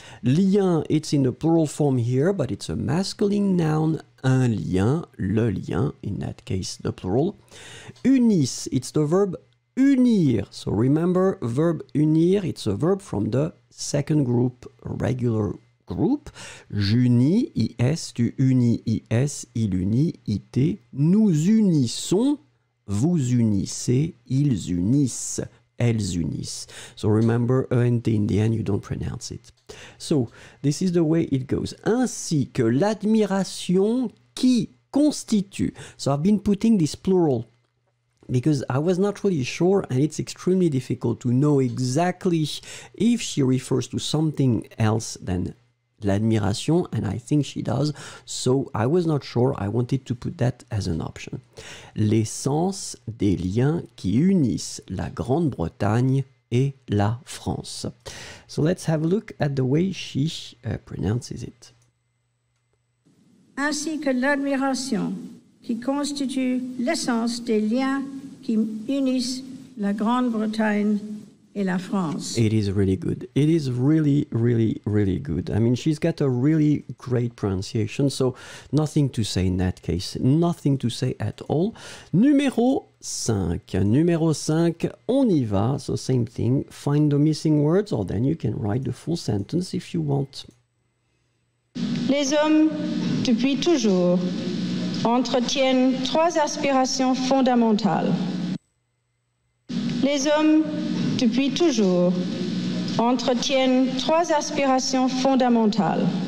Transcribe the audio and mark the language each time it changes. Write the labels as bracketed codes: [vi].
[en] Lien, it's in the plural form here, but it's a masculine noun. [fr] Un lien, le lien, [en] in that case, the plural. Unis, it's the verb unir. So remember, verb unir, it's a verb from the second group, regular group. [fr] J'unis, I-S, tu unis, I-S, il unit, I-T. Nous unissons, vous unissez, ils unissent, elles unissent. [en] So remember, E-N-T in the end, you don't pronounce it. So, this is the way it goes. [fr] Ainsi que l'admiration qui constitue. [en] So I've been putting this plural, because I was not really sure, and it's extremely difficult to know exactly if she refers to something else than l'admiration, and I think she does, so I was not sure, I wanted to put that as an option. [fr] L'essence des liens qui unissent la Grande-Bretagne et la France. [en] So let's have a look at the way she pronounces it. [fr] Ainsi que l'admiration qui constitue l'essence des liens qui unissent la Grande-Bretagne et la France. [en] It is really good. It is really, really, really good. I mean, she's got a really great pronunciation, so nothing to say in that case. Nothing to say at all. [fr] Numéro 5. Numéro 5, on y va. [en] So same thing. Find the missing words, or then you can write the full sentence if you want. [fr] Les hommes, depuis toujours, entretiennent trois aspirations fondamentales. Les hommes, depuis toujours, entretiennent trois aspirations fondamentales.